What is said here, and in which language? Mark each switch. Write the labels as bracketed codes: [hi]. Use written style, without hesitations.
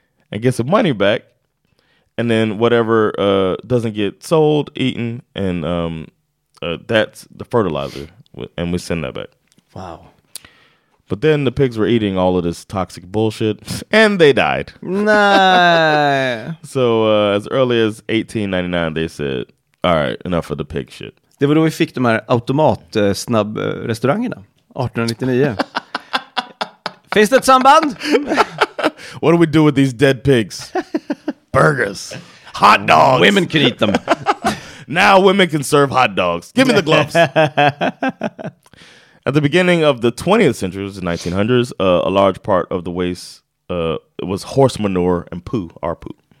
[en] And get some money back, and then whatever doesn't get sold, eaten, and that's the fertilizer, and we send that back. Wow. But then the pigs were eating all of this toxic bullshit, and they died. Nah. So as early as 1899, they said, all right, enough of the pig shit. [sv] Det var då vi fick de här automat-snabb-restaurangerna, 1899. Finns det ett samband? [en] What do we do with these dead pigs? Burgers. Hot dogs. Women can eat them. Now women can serve hot dogs. Give me the gloves. At the beginning of the 20th century, it was the 1900s, a large part of the waste was horse manure and poo, our poo.